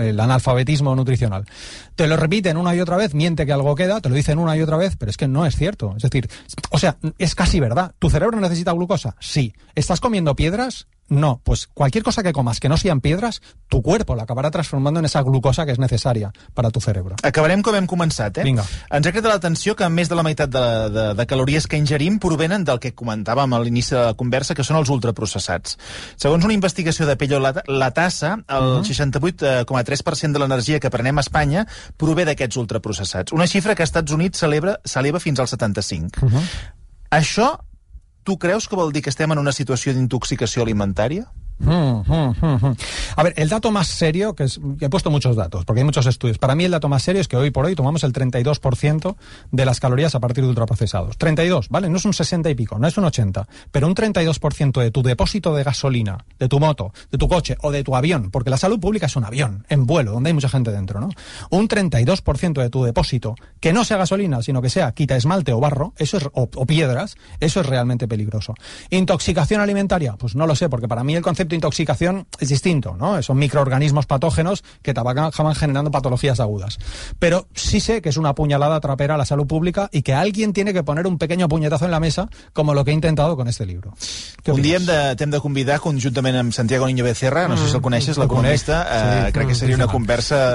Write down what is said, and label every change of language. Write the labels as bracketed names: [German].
[Spanish] El analfabetismo nutricional. Te lo repiten una y otra vez, miente que algo queda, te lo dicen una y otra vez, pero es que no es cierto. Es decir, o sea, es casi verdad. ¿Tu cerebro necesita glucosa? Sí. ¿Estás comiendo piedras? No, pues cualquier cosa que comas que no sean piedras, tu cuerpo la acabará transformando en esa glucosa que es necesaria para tu cerebro. [Catalan] Acabarem com hem començat, eh? Vinga. Ens ha cridat l'atenció que més de la meitat de calories que ingerim provenen del que comentàvem a l'inici de la conversa, que són els ultraprocessats. Segons una investigació de Pello la Tassa, el 68,3% de l'energia que prenem a Espanya prové d'aquests ultraprocessats. Una xifra que als Estats Units s'eleva fins al 75%. Uh-huh. Això... Tu creus que vol dir que estem en una situació d'intoxicació alimentària? [Spanish] A ver, el dato más serio, que es, he puesto muchos datos, porque hay muchos estudios. Para mí el dato más serio es que hoy por hoy tomamos el 32% de las calorías a partir de ultraprocesados. 32, ¿vale? No es un 60 y pico, no es un 80. Pero un 32% de tu depósito de gasolina, de tu moto, de tu coche o de tu avión, porque la salud pública es un avión en vuelo, donde hay mucha gente dentro, ¿no? Un 32% de tu depósito, que no sea gasolina, sino que sea quita esmalte o barro, eso es, o piedras, eso es realmente peligroso. ¿Intoxicación alimentaria? Pues no lo sé, porque para mí el concepto de intoxicación es distinto, ¿no? Son microorganismos patógenos que te van generando patologías agudas. Pero sí sé que es una puñalada trapera a la salud pública y que alguien tiene que poner un pequeño puñetazo en la mesa, como lo que he intentado con este libro. [Catalan] Un dia t'hem de convidar conjuntament amb Santiago Niño Becerra, no sé si el coneixes, l'economista, crec que seria una conversa...